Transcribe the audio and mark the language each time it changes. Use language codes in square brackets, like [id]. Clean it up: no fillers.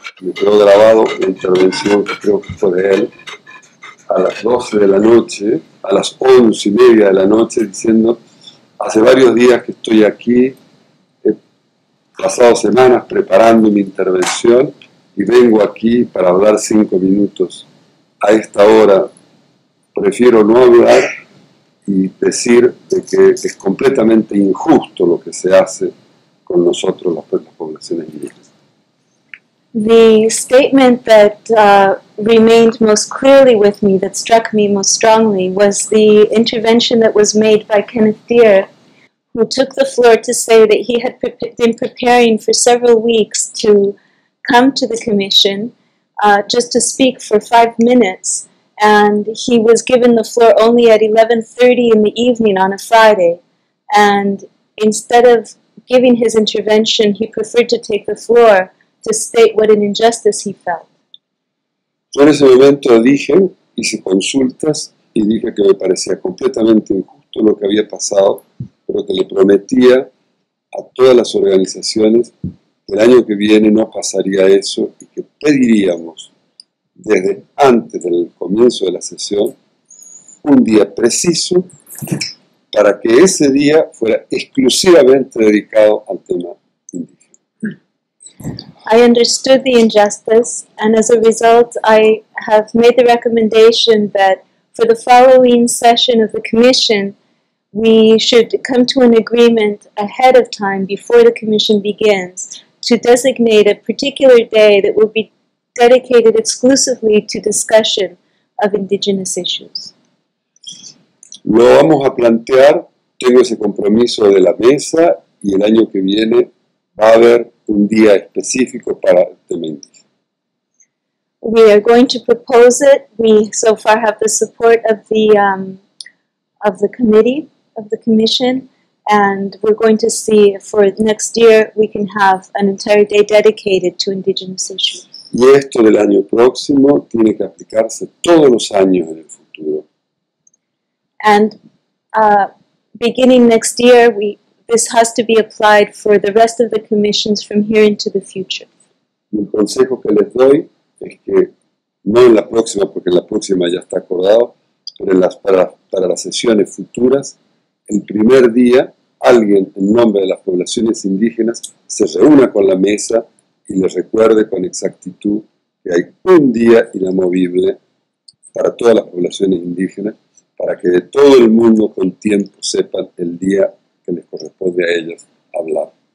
[es] Me quedó grabado una intervención que creo que fue de él a las 12 de la noche, a las 11 y media de la noche, diciendo: hace varios días que estoy aquí, he pasado semanas preparando mi intervención y vengo aquí para hablar 5 minutos. A esta hora prefiero no hablar y decir de que es completamente injusto lo que se hace con nosotros, las poblaciones indígenas. [en] The statement that remained most clearly with me, that struck me most strongly, was the intervention that was made by Kenneth Deere, who took the floor to say that he had been preparing for several weeks to come to the commission just to speak for 5 minutes, and he was given the floor only at 11:30 in the evening on a Friday, and instead of giving his intervention, he preferred to take the floor to state what an injustice he felt. [es] Yo en ese momento dije, hice consultas, y dije que me parecía completamente injusto lo que había pasado, pero que le prometía a todas las organizaciones que el año que viene no pasaría eso, y que pediríamos desde antes del comienzo de la sesión un día preciso para que ese día fuera exclusivamente dedicado al tema indígena. [en] I understood the injustice, and as a result I have made the recommendation that for the following session of the commission we should come to an agreement ahead of time before the commission begins to designate a particular day that will be dedicated exclusively to discussion of indigenous issues. [es] Lo vamos a plantear, tengo ese compromiso de la mesa, y el año que viene va a haber un día específico para el tema indígena. [en] We are going to propose it. We so far have the support of the committee, of the commission, and we're going to see if for next year we can have an entire day dedicated to indigenous issues. [es] Y esto del año próximo tiene que aplicarse todos los años en el futuro. [en] And beginning next year, this has to be applied for the rest of the commissions from here into the future. [es] El consejo que les doy es que no en la próxima, porque en la próxima ya está acordado, pero en las, para las sesiones futuras, el primer día alguien en nombre de las poblaciones indígenas se reúna con la mesa y les recuerde con exactitud que hay un día inamovible para todas las poblaciones indígenas, para que de todo el mundo con tiempo sepan el día que les corresponde a ellos hablar.